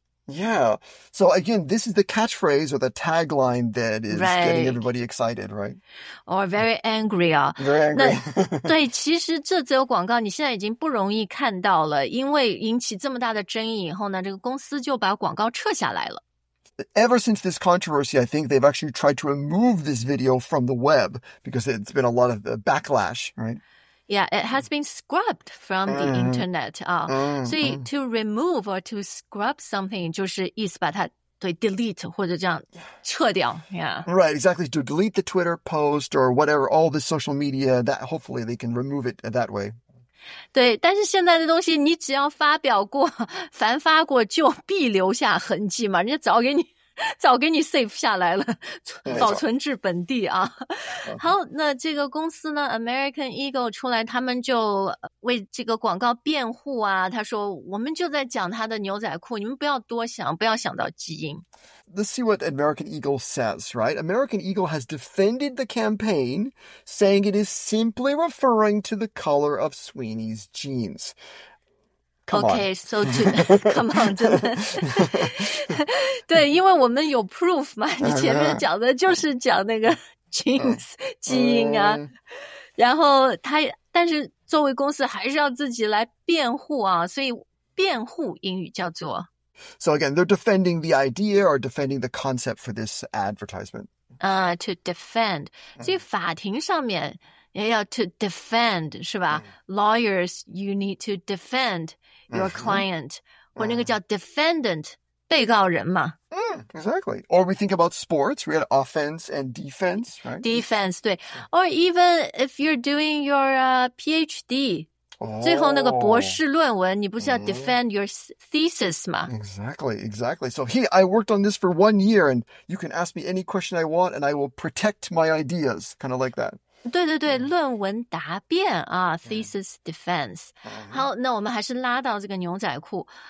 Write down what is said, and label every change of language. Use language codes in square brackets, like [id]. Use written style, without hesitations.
[en] Yeah. So again, this is the catchphrase or the tagline that is getting everybody excited, right? Or very angry. Very angry. [zh] 那对，其实这则广告你现在已经不容易看到了，因为引起这么大的争议以后呢，这个公司就把广告撤下来了。 [en] Ever since this controversy, I think they've actually tried to remove this video from the web because it's been a lot of backlash, right? Yeah, it has been scrubbed from the internet. So to remove or to scrub something [zh] 就是意思把它对 [en] delete [zh] 或者这样撤掉 [en] Yeah. Right, exactly. To delete the Twitter post or whatever, all the social media, that hopefully they can remove it that way. [zh] 对，但是现在的东西你只要发表过、凡发过就必留下痕迹嘛，人家早给你 save 下来了，保存至本地啊。好，那这个公司呢 ，American Eagle 出来，他们就为这个广告辩护啊。他说：“我们就在讲他的牛仔裤，你们不要多想，不要想到基因。” [en] Let's see what American Eagle says. Right, American Eagle has defended the campaign, saying it is simply referring to the color of Sweeney's jeans. Okay, so to come on, [zh] 真的，对，因为我们有 proof 嘛，你前面讲的就是讲那个 genes 基因啊，然后他，但是作为公司还是要自己来辩护啊，所以辩护英语叫做。 [en] So again, they're defending the idea or defending the concept for this advertisement. to defend. [zh] 所以法庭上面也要 to defend, 是吧? [en] Lawyers, you need to defend your client. [zh] 或那个叫 defendant, 被告人嘛。 [en] Exactly. Or we think about sports, we had offense and defense, right? Defense, 对。 Or even if you're doing your PhD, [zh] 最后那个博士论文, 你不是要 [en] defend your thesis [zh] 吗? [en] Exactly, exactly. So hey, I worked on this for 1 year and you can ask me any question I want and I will protect my ideas, kind of like that. [zh] 对对对, 论文答辩, [en] thesis defense. [zh] 好,那我们还是拉到这个牛仔裤。